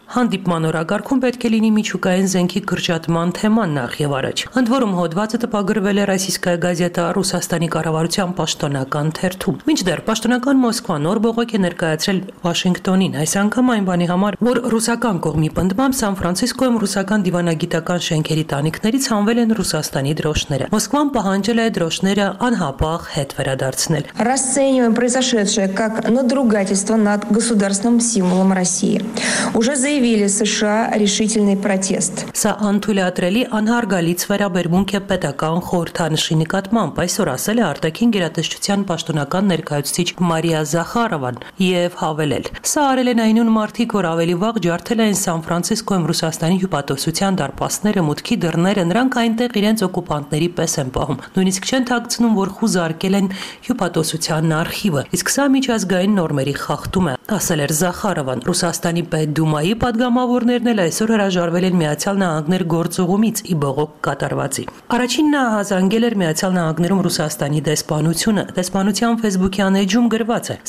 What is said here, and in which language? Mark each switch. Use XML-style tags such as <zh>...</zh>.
<hy>հանդիպման օրակարգում պետք է լինի միջուկային զենքի կրճատման թեման նախ և առաջ։ Ընդ որում հոդվածը տպագրվել է Ռասիսկայա գազետա Ռուսաստանի կառավարության պաշտոնական հերթում։ Մինչդեռ պաշտոնական Մոսկվա նոր բողոք է ներկայացրել Վաշինգտոնին, այս անգամ այն բանի համար, որ ռուսական կողմի պնդմամբ Սան Ֆրանցիսկոյում ռուսական դիվանագիտական շենքերի տանիքներից հանվել են ռուսաստանի դրոշները։ Մոսկվան պահանջել է դրոշները անհապաղ հետ վերադարձնել։</hy> <ru>Расцениваем произошедшее как надругательство над государственным символом России. Уже заявили США решительный протест.</ru> <hy>Սա անթույլ է ատրելի անհարգալից վերաբերմունք է պետական խորհրդանշի նկատմամբ, այսօր ասել է արտաքին գերատեսչության պաշտոնական ներկայացուցիչ Մարիա Զախարովան և հավելել. Սա արել են այնուն մարդիկ, որ ավելի վաղ ջարդել են Սան Ֆրանցիսկոյում Ռուսաստանի հյուպատոսության դարպասները, մուտքի դռները, նրանք այնտեղ իրենց օկուպանտների պես են պահում, նույնիսկ չեն թաքցնում, որ խուզարկել են հյուպատոսության արխիվը, իսկ սա միջազգային նորմերի խախտում է, ասել էր Զախարովան։ Ռուսաստանի պետդումայի պատգամավորներն էլ այսօր հրաժարվել են Միացյալ Նահանգներ գործողումից ի բողոք կատարվածի։ Առաջին նահանգել էր Միացյալ Նահանգներում Ռուսաստանի դեսպանությունը, դեսպանության ֆեյսբուքյան էջում գրված է.</hy>